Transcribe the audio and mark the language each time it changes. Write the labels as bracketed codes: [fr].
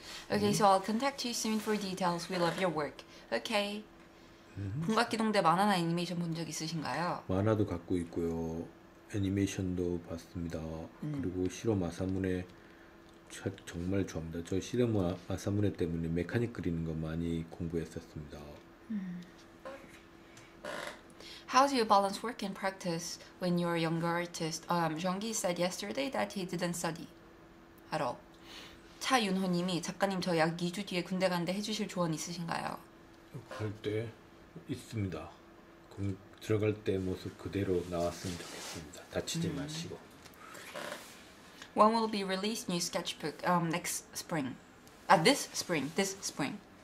[en] 오케이, okay, so I'll contact you soon for details. We love your work. 오케이. [ko] 분각기동대 만화나 애니메이션 본 적 있으신가요? 만화도 갖고 있고요. 애니메이션도 봤습니다. 그리고 시로 마사무네 책 정말 좋아합니다. 저 시로 마사무네 때문에 메카닉 그리는 거 많이 공부했었습니다. [en] How do you balance work and practice when you're a younger artist? Jeonggi said yesterday that he didn't study at all. [ko] 차윤호님이 작가님 저 약 2주 뒤에 군대 간대 해주실 조언 있으신가요? 갈 때 있습니다. 들어갈 때 모습 그대로 나왔으면 좋겠습니다. 다치지 마시고. [en] When will be released new sketchbook? Next spring. This spring. This spring.